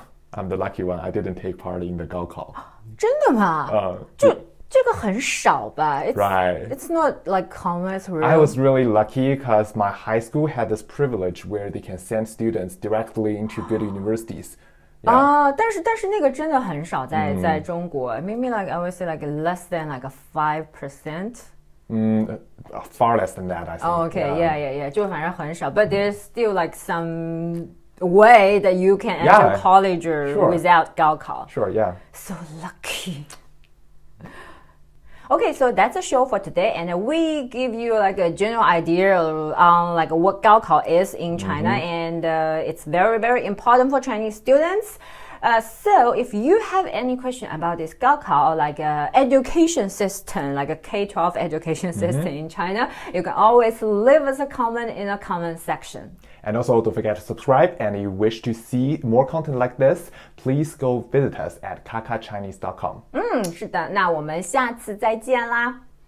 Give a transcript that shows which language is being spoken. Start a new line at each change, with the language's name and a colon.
English: I'm the lucky one. I didn't take part in the 高考。
Chinese: 真的吗？这个很少吧。
English: Right. It's not like common. I was really lucky because my high school had this privilege where they can send students directly into good universities. Yeah.
Chinese: 但是那个真的很少在中国。
English: Maybe like I would say like less than like 5%. Far less than that, I think.
Chinese: Okay, 就反正很少。
English: But there's still like some way that you can enter college without 高考。 Sure, yeah. So lucky. Okay, so that's the show for today, and we give you like a general idea on like what 高考 is in China, and it's very, very important for Chinese students. So if you have any question about this 高考, like education system, like a K-12 education system in China, you can always leave us a comment in the comment section. And also don't forget to subscribe, and if you wish to see more content like this, please go visit us at KaKaChinese.com.
Chinese: 是的，那我们下次再见啦。